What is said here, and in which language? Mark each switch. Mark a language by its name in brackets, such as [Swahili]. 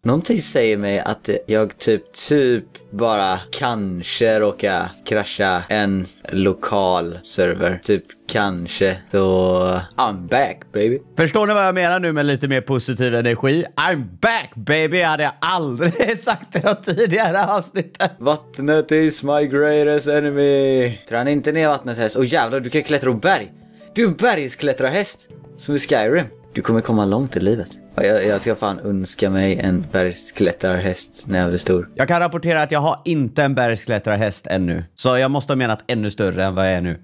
[Swedish] Någonting säger mig att jag typ bara kanske råkar krascha en lokal server. Typ kanske. Så [English] I'm back, baby. [Swedish] Förstår ni vad jag menar nu med lite mer positiv energi? [English] I'm back, baby. [Swedish] Jag hade aldrig sagt det tidigare avsnittet. [English] Vattnet is my greatest enemy. [Swedish] Trän inte ner vattnet, häst. Åh, jävlar, du kan klättra på berg. Du är en bergsklättrarhäst. Som i Skyrim. Du kommer komma långt i livet. Jag ska fan önska mig en bergsklättrarhäst när jag blir stor. Jag kan rapportera att jag har inte en bergsklättrarhäst ännu. Så jag måste ha menat ännu större än vad jag är nu.